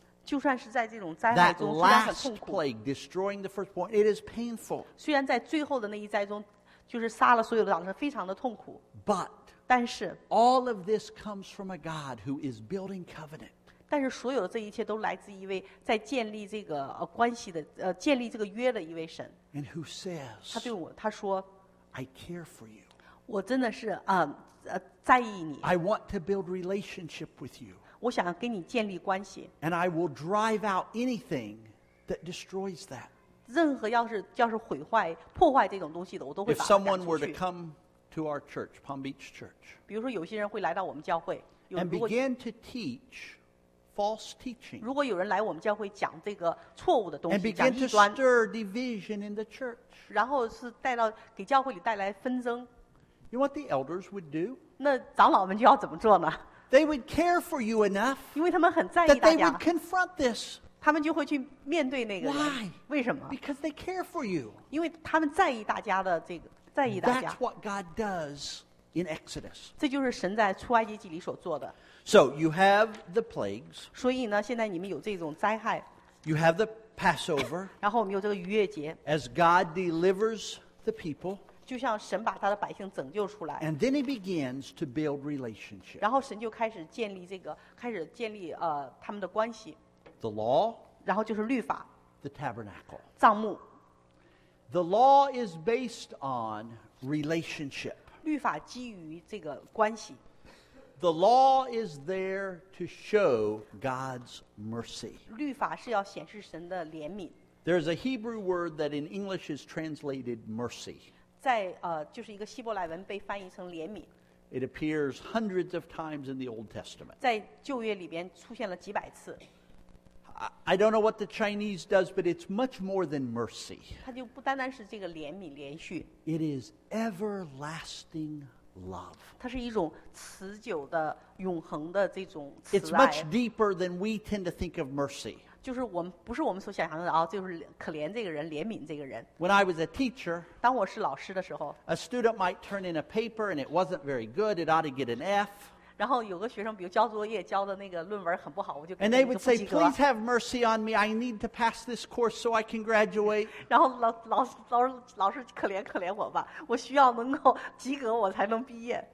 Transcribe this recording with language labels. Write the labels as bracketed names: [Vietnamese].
[Chinese] 就算是在这种灾害中，虽然很痛苦。 [English] That last plague, destroying the firstborn, it is painful. [Chinese] 虽然在最后的那一灾中，就是杀了所有的长子，非常的痛苦。 [English] But, [Chinese] 但是 [English] all of this comes from a God who is building covenant. [Chinese] 但是所有的这一切都来自一位在建立这个关系的建立这个约的一位神。 [English] And who says? [Chinese] 他对我他说 [English] ，I care for you. [Chinese] 我真的是在意你。 [English] I want to build relationship with you. [Chinese] 我想跟你建立关系。 [English] And I will drive out anything that destroys that. [Chinese] 任何要是毁坏、破坏这种东西的，我都会把它赶出去。 [English] If someone were to come to our church, Palm Beach Church, [Chinese] 比如说有些人会来到我们教会 [English] ，and begin to teach false teaching. [Chinese] 如果有人来我们教会讲这个错误的东西 [English] ，and begin to stir division in the church. [Chinese] 然后是带到给教会里带来纷争。 [English] You know what the elders would do? [Chinese] 那长老们就要怎么做呢？ [English] They would care for you enough [Chinese] 因为他们很在意大家 [English] that they would confront this. [Chinese] 他们就会去面对那个人 [English] Why? [Chinese] 为什么 [English] Because they care for you. [Chinese] 因为他们在意大家的这个在意大家 [English] That's what God does in Exodus. [Chinese] 这就是神在出埃及记里所做的 [English] So you have the plagues. [Chinese] 所以呢现在你们有这种灾害 [English] You have the Passover. [Chinese] 然后我们有这个逾越节 [English] As God delivers the people. [Chinese] 就像神把他的百姓拯救出来 [English] And then he begins to build relationship. [Chinese] 然后神就开始建立这个开始建立他们的关系 [English] The law [Chinese] 然后就是律法 [English] The tabernacle [Chinese] 帐幕 [English] The law is based on relationship [Chinese] 律法基于这个关系 [English] The law is there to show God's mercy [Chinese] 律法是要显示神的怜悯 [English] There's a Hebrew word that in English is translated mercy [Chinese] 在就是一个希伯来文被翻译成怜悯。 [English] It appears hundreds of times in the Old Testament. [Chinese] 在旧约里边出现了几百次。 [English] I don't know what the Chinese does, but it's much more than mercy. [Chinese] 它就不单单是这个怜悯连续。 [English] It is everlasting love. [Chinese] 它是一种持久的永恒的这种慈爱。 [English] It's much deeper than we tend to think of mercy. [Chinese] 就是我们不是我们所想象的啊，就是可怜这个人，怜悯这个人。 [English] When I was a teacher, [Chinese] 当我是老师的时候 [English] ，a student might turn in a paper and it wasn't very good. It ought to get an F. [Chinese] 然后有个学生，比如交作业交的那个论文很不好，我就 [English] And they would say, "Please have mercy on me. I need to pass this course so I can graduate." [Chinese] 然后老师可怜可怜我吧，我需要能够及格，我才能毕业。